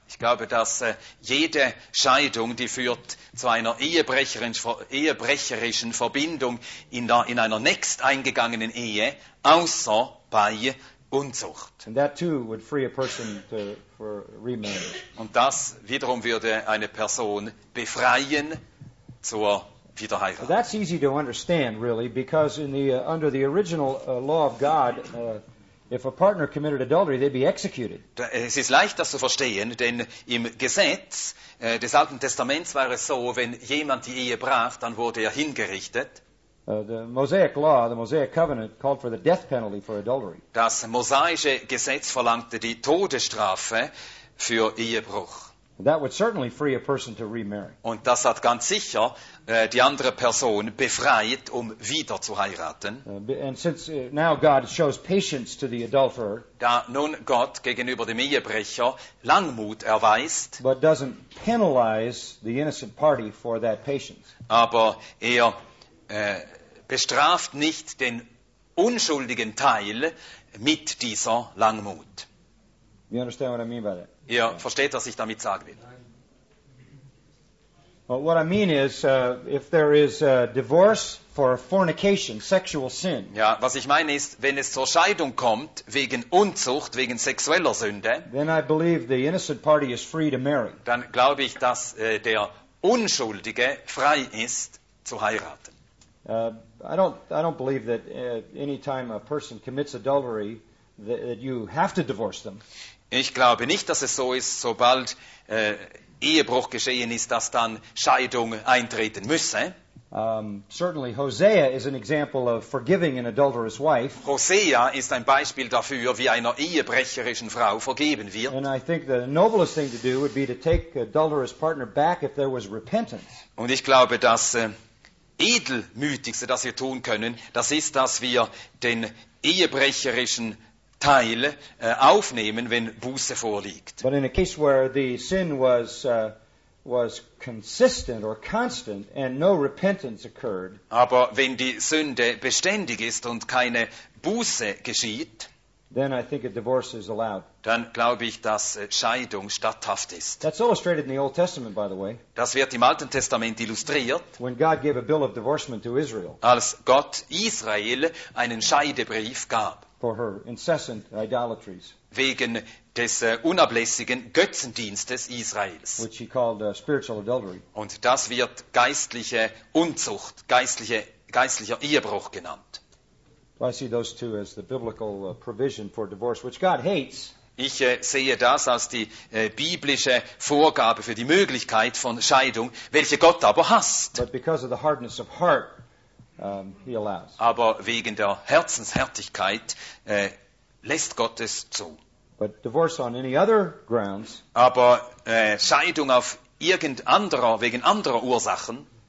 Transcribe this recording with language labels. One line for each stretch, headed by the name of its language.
German: glaube, dass jede Scheidung, die führt zu einer ehebrecherischen Verbindung in einer nächst eingegangenen Ehe, außer bei Unzucht.
English: And that too would free a person to, for remarriage.
German: Und das wiederum würde eine Person befreien zur Wiederheirat.
English: That's easy to understand, really, because in the under the original law of God, if a partner committed adultery, they'd be executed.
German: Es ist leicht, das zu verstehen, denn im Gesetz des Alten Testaments war es so, wenn jemand die Ehe brach, dann wurde er hingerichtet.
English: The Mosaic law, the Mosaic covenant, called for the death penalty for adultery.
German: Das mosaische Gesetz verlangte die Todesstrafe für Ehebruch.
English: That would certainly free a person to remarry.
German: Und das hat ganz sicher die andere Person befreit, um wieder zu heiraten.
English: And since now God shows patience to the adulterer,
German: da nun Gott gegenüber dem Ehebrecher Langmut erweist,
English: but doesn't penalize the innocent party for that patience.
German: Aber er bestraft nicht den unschuldigen Teil mit dieser Langmut.
English: You understand what I mean by that?
German: Ihr versteht, was ich damit sagen will.
English: Well, what I mean is, if there is a divorce for fornication, sexual sin.
German: Ja, was ich meine ist, wenn es zur Scheidung kommt wegen Unzucht, wegen sexueller Sünde,
English: then I believe the innocent party is free to marry.
German: Dann glaube ich, dass der Unschuldige frei ist zu heiraten.
English: I don't believe that any time a person commits adultery that you have to divorce them.
German: Ich glaube nicht, dass es so ist, sobald Ehebruch geschehen ist, dass dann Scheidung eintreten müsse.
English: Certainly Hosea is an example of forgiving an adulterous wife.
German: Hosea ist ein Beispiel dafür, wie einer ehebrecherischen Frau vergeben wird.
English: And I think the noblest thing to do would be to take an adulterous partner back if there was repentance.
German: Und ich glaube, dass Edelmütigste, das wir tun können, das ist, dass wir den ehebrecherischen Teil aufnehmen, wenn Buße vorliegt.
English: But in a case where the sin was consistent or constant and no repentance occurred.
German: Aber wenn die Sünde beständig ist und keine Buße geschieht,
English: then I think a divorce is allowed.
German: Dann glaube ich, dass Scheidung statthaft ist.
English: That's illustrated in the Old Testament, by the way.
German: Das wird im Alten Testament illustriert.
English: When God gave a bill of divorcement to Israel.
German: Als Gott Israel einen Scheidebrief gab.
English: For her incessant idolatries.
German: Wegen des unablässigen Götzendienstes Israels.
English: Which he called spiritual adultery.
German: Und das wird geistliche Unzucht, geistlicher Ehebruch genannt.
English: I see those two as the biblical provision for divorce, which God hates.
German: Ich sehe das als die biblische Vorgabe für die Möglichkeit von Scheidung, welche Gott aber hasst.
English: But because of the hardness of heart, he allows.
German: Aber wegen der Herzenshärtigkeit lässt Gott es zu.
English: But divorce on any other grounds,
German: aber Scheidung auf irgend anderer, wegen anderer Ursachen,